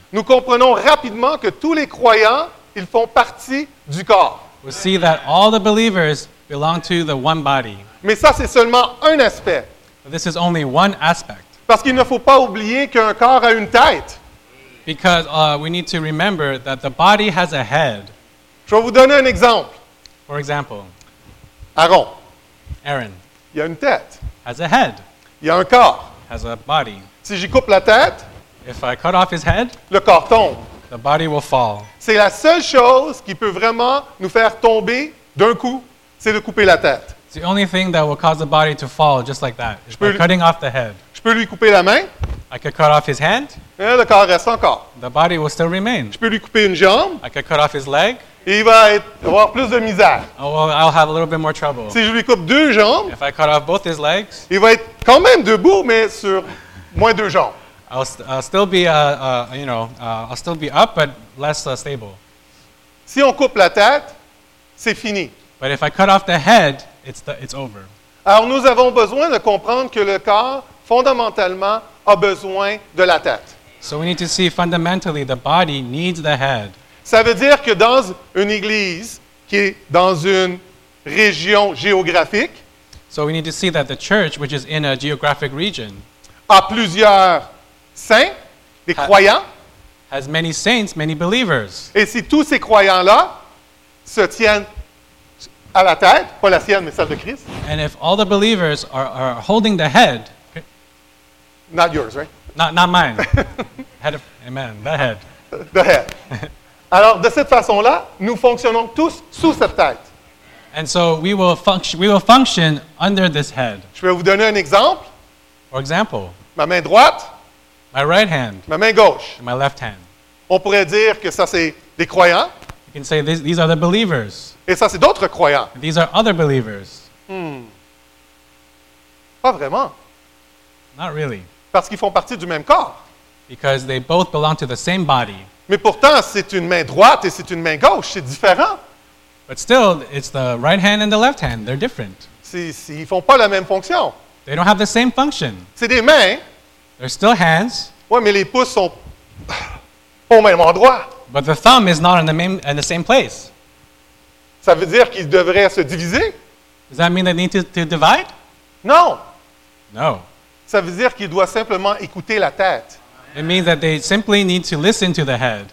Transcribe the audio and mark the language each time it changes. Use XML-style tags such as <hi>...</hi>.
<fr>nous comprenons rapidement que tous les croyants, ils font partie du corps.</fr> <en>We see that all the believers belong to the one body.</en> <fr>Mais ça, c'est seulement un aspect.</fr> <en>But this is only one aspect.</en> <fr>Parce qu'il ne faut pas oublier qu'un corps a une tête.</fr> <en>Because we need to remember that the body has a head.</en> <fr>Je vais vous donner un exemple.</fr> <en>For example,</en> <fr>Aaron. Il a une tête.</fr> <en>Has a head.</en> <fr>Il a un corps.</fr> <en>Has a body.</en> <fr>Si j'y coupe la tête,</fr> <en>if I cut off his head,</en> <fr>le corps tombe.</fr> <en>The body will fall.</en> <fr>C'est la seule chose qui peut vraiment nous faire tomber d'un coup, c'est de couper la tête.</fr> <en>It's the only thing that will cause the body to fall just like that.</en> <fr>Je peux</fr> <en>cutting off the head.</en> <fr>Je peux lui couper la main.</fr> <en>I could cut off his hand.</en> <fr>Et le corps reste encore.</fr> <en>The body will still remain.</en> <fr>Je peux lui couper une jambe.</fr> <en>I could cut off his leg.</en> <fr>Et il va avoir plus de misère.</fr> <en>Oh, well, I'll have a little bit more trouble.</en> <fr>Si je lui coupe deux jambes,</fr> <en>if I cut off both his legs,</en> <fr>il va être quand même debout, mais sur moins deux jambes.</fr> <en>I'll still be up, but less stable.</en> <fr>Si on coupe la tête, c'est fini.</fr> <en>But if I cut off the head, it's over.</en> <fr>Alors nous avons besoin de comprendre que le corps, fondamentalement, a besoin de la tête.</fr> <en>So we need to see fundamentally the body needs the head.</en> <fr>Ça veut dire que dans une église qui est dans une région géographique.</fr> <en>So we need to see that the church, which is in a geographic region.</en> <fr>À plusieurs saints, des croyants.</fr> <en>Has many saints, many believers.</en> <fr>Et si tous ces croyants-là se tiennent à la tête, pas la sienne, mais celle de Christ.</fr> <en>And if all the believers are holding the head, not yours, right? Not mine. Head of, amen. The head. The head.</en> <fr>Alors de cette façon-là, nous fonctionnons tous sous cette tête.</fr> <en>And so we will function under this head.</en> <fr>Je vais vous donner un exemple.</fr> <en>For example.</en> <fr>Ma main droite.</fr> <en>My right hand.</en> <fr>Ma main gauche.</fr> <en>My left hand.</en> <fr>On pourrait dire que ça c'est des croyants.</fr> <en>You can say these are the believers.</en> <fr>Et ça c'est d'autres croyants.</fr> <en>These are other believers.</en> <fr>Pas vraiment.</fr> <en>Not really.</en> <fr>Parce qu'ils font partie du même corps.</fr> <en>Because they both belong to the same body.</en> <fr>Mais pourtant, c'est une main droite et c'est une main gauche, c'est différent.</fr> <en>But still, it's the right hand and the left hand. They're different.</en> <fr>Ils font pas la même fonction.</fr> <en>They don't have the same function.</en> <fr>C'est des mains.</fr> <en>They're still hands.</en> <fr>Ouais, mais les pouces sont au même endroit.</fr> <en>But the thumb is not in the same place.</en> <fr>Ça veut dire qu'ils devraient se diviser?</fr> <en>Does that mean they need to divide?</en> <fr>Non.</fr> <en>No.</en> <fr>Ça veut dire qu'ils doivent simplement écouter la tête.</fr> <en>It means that they simply need to listen to the head.</en>